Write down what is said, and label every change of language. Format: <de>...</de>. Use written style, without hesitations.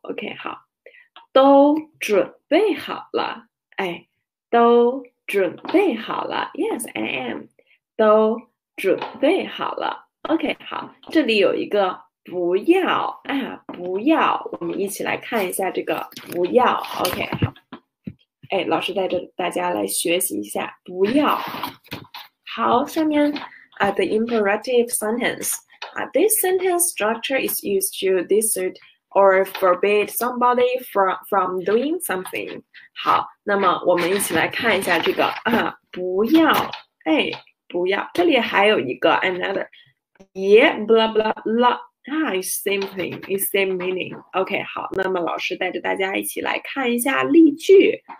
<zh>OK，好，都准备好了，哎，都准备好了。</zh> <en>Yes, I am。</en> <zh>都准备好了。OK，好，这里有一个。不要啊！不要，我们一起来看一下这个不要。 OK，好。哎，老师带着大家来学习一下不要。好，下面啊，</zh> <en>the imperative sentence 啊，this sentence structure is used to dissuade or forbid somebody from doing something。</en> <zh>好，那么我们一起来看一下这个啊，不要，哎，不要。这里还有一个 another，别 blah blah blah。</zh> <en>It's same thing, it's same meaning.</en> <zh>OK，好，那么老师带着大家一起来看一下例句。</zh>